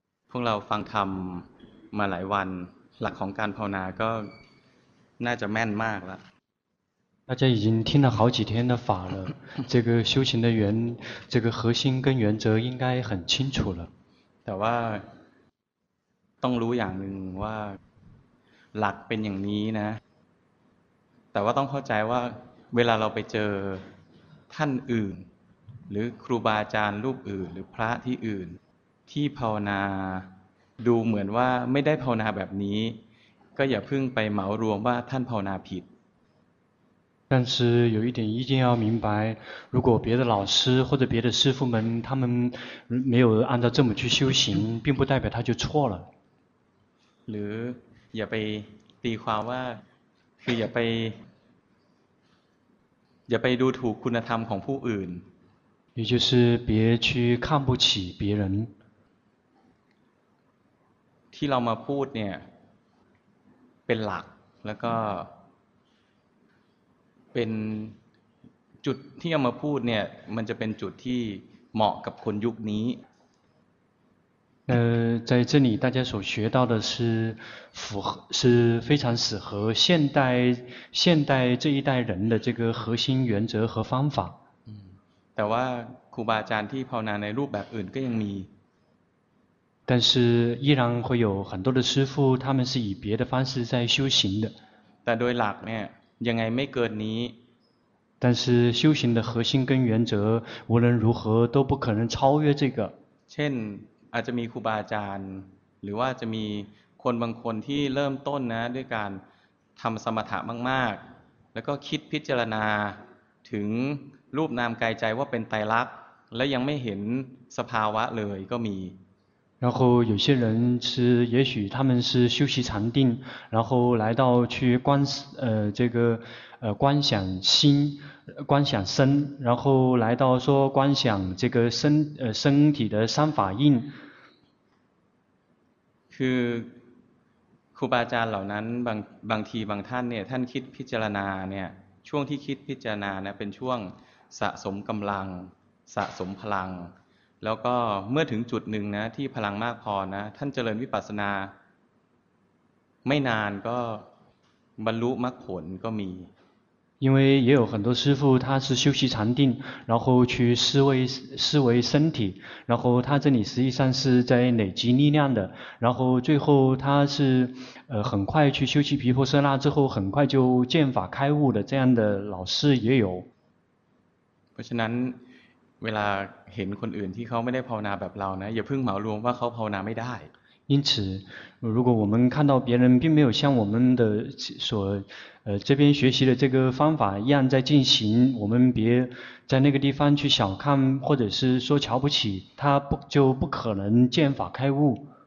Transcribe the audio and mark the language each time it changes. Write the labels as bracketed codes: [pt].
[th] พวกเราฟังธรรมมาหลายวันหลักของการภาวนาก็น่าจะแม่นมากแล้ว [zh] 大家已经听了好几天的法了，这个修行的原，这个核心跟原则应该很清楚了。 [th] แต่ว่าต้องรู้อย่างหนึ่งว่าหลักเป็นอย่างนี้นะแต่ว่าต้องเข้าใจว่าเวลาเราไปเจอท่านอื่นหรือครูบาอาจารย์รูปอื่นหรือพระที่อื่นที่ภาวนาดูเหมือนว่าไม่ได้ภาวนาแบบนี้ก็อย่าเพิ่งไปเหมารวมว่าท่านภาวนาผิด [zh] 但是有一点一定要明白，如果别的老师或者别的师父们他们没有按照这么去修行，并不代表他就错了。 [th] หรืออย่าไปตีความว่าคืออย่าไปดูถูกคุณธรรมของผู้อื่น [zh] 也就是别去看不起别人 [th] ที่เรามาพูดเนี่ยเป็นหลักแล้วก็เป็นจุดที่เอามาพูดเนี่ยมันจะเป็นจุดที่เหมาะกับคนยุคนี้ [zh] 在这里大家所学到的是符合是非常适合现代这一代人的这个核心原则和方法。 [th] แต่ว่าครูบาอาจารย์ที่ภาวนาในรูปแบบอื่นก็ยังมี [zh] 但是依然会有很多的师父他们是以别的方式在修行的。 [th] แต่โดยหลักเนี่ยยังไงไม่เกินนี้ [zh] 但是修行的核心跟原则无论如何都不可能超越这个。 [th] เช่นอาจจะมีครูบาอาจารย์หรือว่าจะมีคนบางคนที่เริ่มต้นนะด้วยการทำสมถะมากๆแล้วก็คิดพิจารณาถึงรูปนามกายใจว่าเป็นไตรลักษณ์และยังไม่เห็นสภาวะเลยก็มี [zh] 然后有些人是也许他们是修习禅定然后来到去观这个观想心观想身然后来到说观想这个身身体的三法印 [th] คือครูบาอาจารย์เหล่านั้นบางทีบางท่านเนี่ยท่านคิดพิจารณาเนี่ยช่วงที่คิดพิจารณานะเป็นช่วงสะสมกำลังสะสมพลังแล้วก็เมื่อถึงจุดหนึ่งนะที่พลังมากพอนะท่านเจริญวิปัสสนาไม่นานก็บรรลุมรรคผลก็มี [zh] 因为也有很多师父他是修习禅定然后去思维身体然后他这里实际上是在累积力量的然后最后他是很快去修习毗婆舍那之后很快就见法开悟的这样的老师也有 [th] เพราะฉะนั้นเวลาเห็นคนอื่นที่เขาไม่ได้ภาวนาแบบเรานะอย่าเพิ่งเหมารวมว่าเขาภาวนาไม่ได้ [zh] 因此如果我们看到别人并没有像我们的所这边学习的这个方法一样在进行我们别在那个地方去小看或者是说瞧不起他不就不可能见法开悟